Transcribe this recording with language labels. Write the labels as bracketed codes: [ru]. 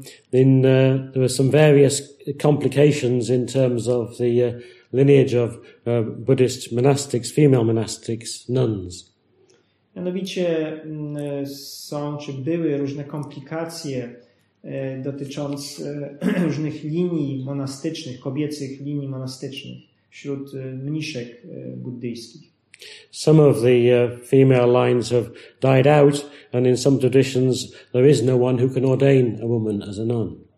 [en] There were some various complications in terms of the lineage of Buddhist monastics, female monastics, nuns. [pl] Mianowicie są czy były różne komplikacje dotyczące różnych linii monastycznych, kobiecych linii monastycznych wśród mniszek buddyjskich. [en] Some of the female lines have died out, and in some traditions there is no one who can ordain a woman as a nun.